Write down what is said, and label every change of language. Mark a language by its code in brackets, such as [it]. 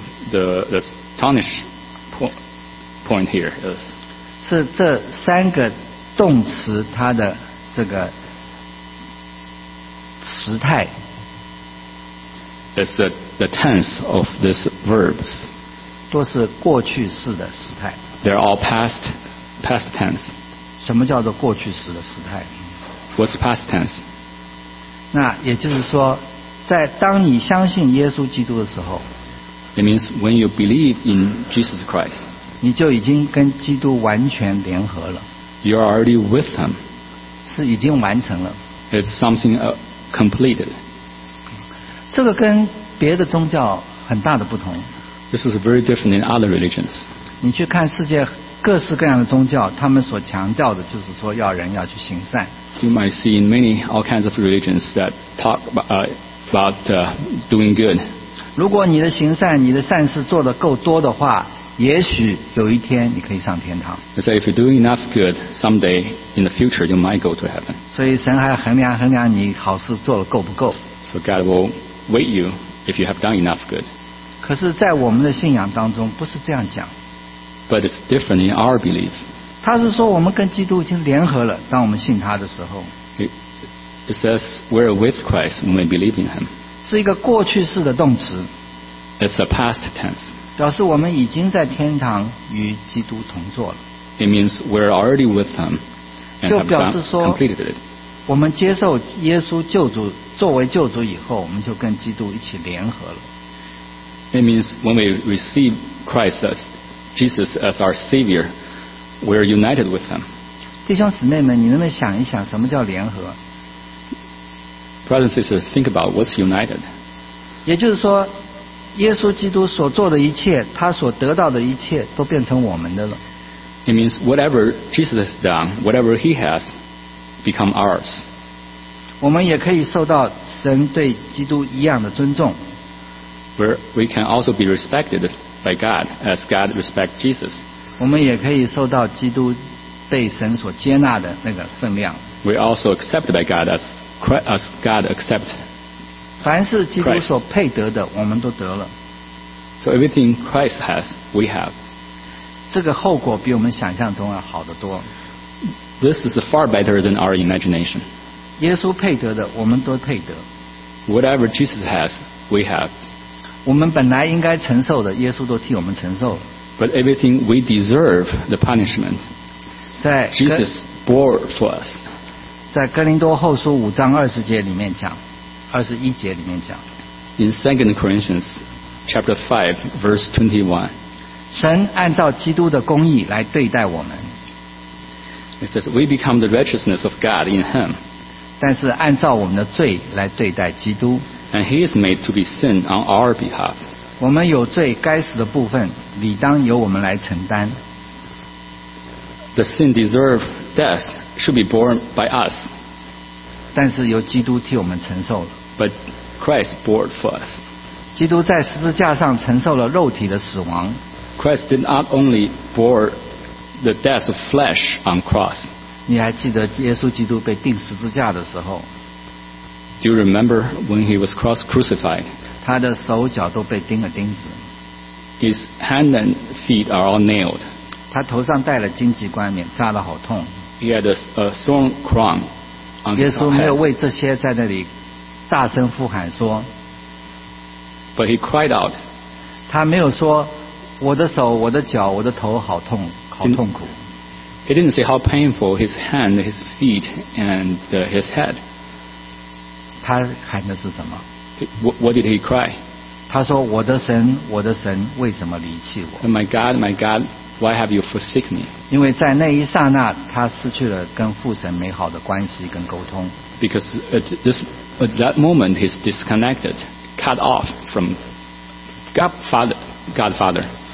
[en] The astonish point here is [zh] 是这三个动词它的这个时态。 [en] It's the tense of these verbs. [zh] 都是过去式的时态。 [en] They're all past tense. [zh] 什么叫做过去时的时态？ [en] What's past tense? [zh] 那也就是说在当你相信耶稣基督的时候， [en] It means when you believe in Jesus Christ, [zh] 你就已经跟基督完全联合了。 [en] You are already with him. [zh] 是已经完成了。 [en] It's something completed. [zh] 这个跟别的宗教很大的不同。 [en] This is very different in other religions. [zh] 你去看世界各式各样的宗教，他们所强调的就是说要人要去行善。 [en] You might see in many all kinds of religions that talk about doing good. [zh] 如果你的行善，你的善事做得够多的话，也许有一天你可以上天堂。 [en] They say if you're doing enough good, someday in the future you might go to heaven. [zh] 所以神还要衡量你好事做得够不够。 [en] So God will weigh you if you have done enough good. [zh] 可是，在我们的信仰当中，不是这样讲。 [en] But it's different in our belief. [zh] 他是说我们跟基督已经联合了，当我们信他的时候。 [en] It says we're with Christ when we believe in him. [zh] 是一个过去式的动词。 [en] It's a past tense. [zh] 表示我们已经在天堂与基督同坐了。 [en] It means we're already with him. [zh] 就表示说 [en] completed it. [zh] 我们接受耶稣救主作为救主以后，我们就跟基督一起联合了。 [en] It means when we receive Christ as Jesus as our Savior, we are united with him. [zh] 弟兄姊妹们，你能不能想一想什么叫联合？ [en] Brothers and sisters, think about what's united. [zh] 也就是说，耶稣基督所做的一切，他所得到的一切，都变成我们的了。 [en] It means whatever Jesus has done, whatever he has, become ours. [zh] 我们也可以受到神对基督一样的尊重。 [en] We can also be respected. By God, as God respects Jesus, [zh] 我们也可以受到基督被神所接纳的那个分量。 [en] We also accepted by God as Christ, as God accepts. [zh] 凡是基督所配得的，我们都得了。 [en] So everything Christ has, we have. [zh] 这个后果比我们想象中要好得多。 [en] This is far better than our imagination. [zh] 耶稣配得的，我们都配得。 [en] Whatever Jesus has, we have. [zh] 我们本来应该承受的，耶稣都替我们承受了。 [en] But everything we deserve, the punishment, Jesus bore for us. [zh] 在哥林多后书五章二十节里面讲。二十一节里面讲 [en] In 2 Corinthians chapter 5 verse 21 [zh] 神按照基督的公义来对待我们 [en] It says we become the righteousness of God in him [zh] 但是按照我们的罪来对待基督 [en] And he is made to be sin on our behalf [zh] 我们有罪该死的部分理当由我们来承担 [en] The sin deserved death should be borne by us [zh] 但是由基督替我们承受了 [en] But Christ bore for us [zh] 基督在十字架上承受了肉体的死亡 [en] Christ did not only bore the death of flesh on cross [zh] 你还记得耶稣基督被钉十字架的时候 [en] Do you remember when he was cross crucified [zh] 他的手脚都被钉了钉子 [en] His hand and feet are all nailed [zh] 他头上戴了荆棘冠冕扎得好痛 [en] He had a thorn crown [zh] 耶稣没有为这些在那里大声呼喊说 [en] But he cried out [zh] 他没有说我的手我的脚我的头好痛好痛苦 [en] He didn't say how painful his hand his feet and his head [zh] 他喊的是什么 [en] What did he cry [zh] 他说我的神为什么离弃我 [en] my God Why have you forsaken me? [zh] 因为在那一刹那，他失去了跟父神美好的关系跟沟通。 [en] Because at that moment he's disconnected, cut off from Godfather.